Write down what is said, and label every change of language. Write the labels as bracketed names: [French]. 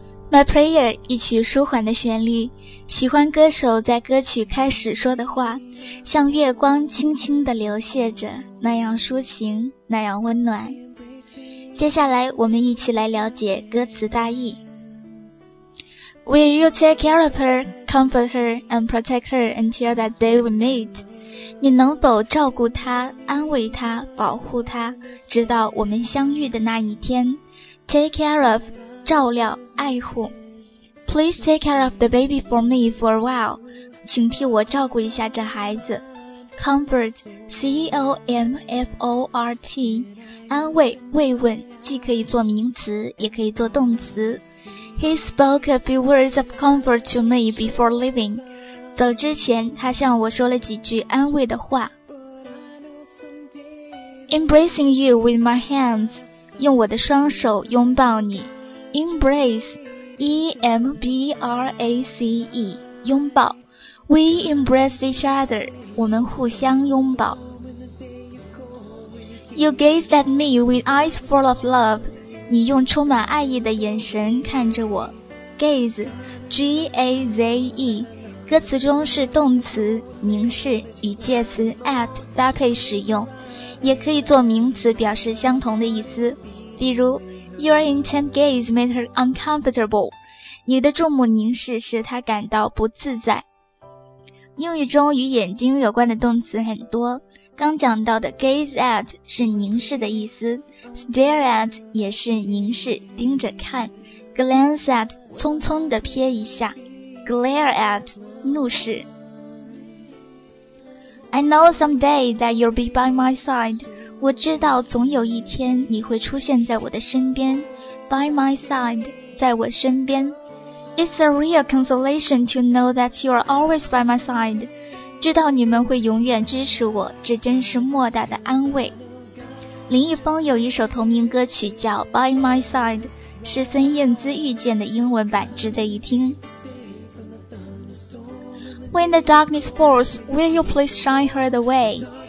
[Chinese] My Prayer 一曲舒缓的旋律，喜欢歌手在歌曲开始说的话，像月光轻轻地流泻着，那样抒情，那样温暖。接下来我们一起来了解歌词大意。 [English] Will you take care of her, comfort her, and protect her until that day we meet? [Chinese] 你能否照顾她，安慰她，保护她，直到我们相遇的那一天？ [English] Take care of, [Chinese] 照料，爱护。 [English] Please take care of the baby for me for a while. [Chinese] 请替我照顾一下这孩子。 [English] Comfort, C-O-M-F-O-R-T. [Chinese] 安慰、慰问，既可以做名词，也可以做动词。 [English] He spoke a few words of comfort to me before leaving. [Chinese] 走之前，他向我说了几句安慰的话。 [English] Embracing you with my hands. [Chinese] 用我的双手拥抱你。Embrace. E-M-B-R-A-C-E 拥抱 [English] We embrace each other [Chinese] 我们互相拥抱 [English] You gazed at me with eyes full of love [Chinese] 你用充满爱意的眼神看着我 Gaze G-A-Z-E 歌词中是动词凝视与介词 at 搭配使用也可以做名词表示相同的意思比如 [English] Your intent gaze made her uncomfortable. [Chinese] 你的注目凝视使她感到不自在。英语中与眼睛有关的动词很多。刚讲到的 gaze at 是凝视的意思。 Stare at 也是凝视盯着看。Glance at 匆匆地瞥一下。 Glare at 怒视。 [English] I know someday that you'll be by my side. [Chinese] 我知道总有一天你会出现在我的身边 By my side 在我身边 [English] It's a real consolation to know that you are always by my side [Chinese] 知道你们会永远支持我这真是莫大的安慰林一峰有一首同名歌曲叫 By my side 是孙燕姿遇见的英文版值得一听 [English] When the darkness falls Will you please shine her the way?